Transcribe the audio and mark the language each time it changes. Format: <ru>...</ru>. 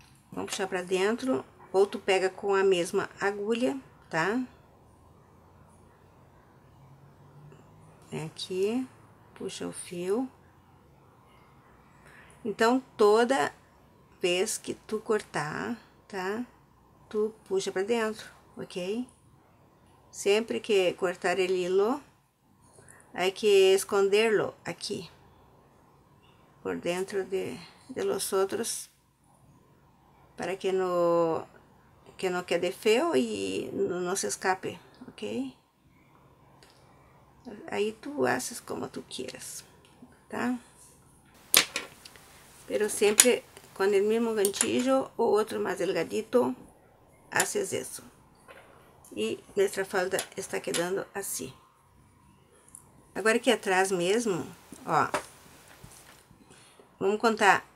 <pt>Vamos puxar pra dentro, ou tu pega com a mesma agulha, tá? Vem aqui, puxa o fio. Então, toda vez que tu cortar, tá? Tu puxa pra dentro, ok?</pt> <es>Sempre que cortar el hilo, hay que esconderlo aqui, por dentro de los otros.</es> <pt>Para que não quede feio e não se escape, ok? Aí tu</pt> <es>haces como tu quieras,</es> <pt>tá?</pt> <es>Pero</es> <pt>sempre com o mesmo</pt> <es>ganchillo</es> <pt>ou outro mais</pt> <es>delgadito, haces</es> <pt>isso. E nossa</pt> <es>falda está quedando</es> <pt>assim. Agora aqui atrás mesmo, ó. Vamos contar.</pt>